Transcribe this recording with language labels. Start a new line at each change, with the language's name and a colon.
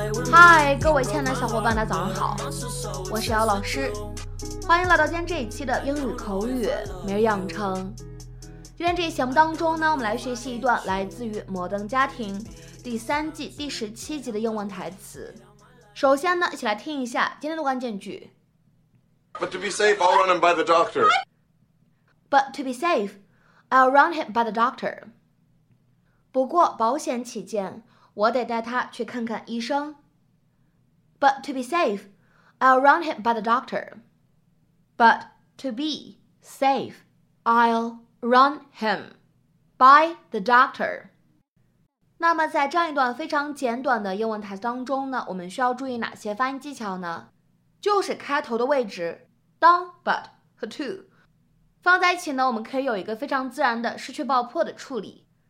Chinese: 嗨，各位亲爱的小伙伴，大家早上好，我是姚老师，欢迎来到今天这一期的英语口语每日养成。今天这一节目当中呢，我们来学习一段来自于《摩登家庭》第三季第十七集的英文台词。首先呢，一起来听一下今天的关键句。
English: But to be safe, I'll run him by the doctor. But to be safe, I'll run him by the doctor.
Chinese: 不过保险起见，我得带他去看看医生。
English: But to be safe, I'll run him by the doctor. But to be safe, I'll run him by the doctor.
Chinese: 那么在这样一段非常简短的英文台词当中呢，我们需要注意哪些发音技巧呢？就是开头的位置，当 but 和 to 放在一起呢，我们可以有一个非常自然的失去爆破的处理。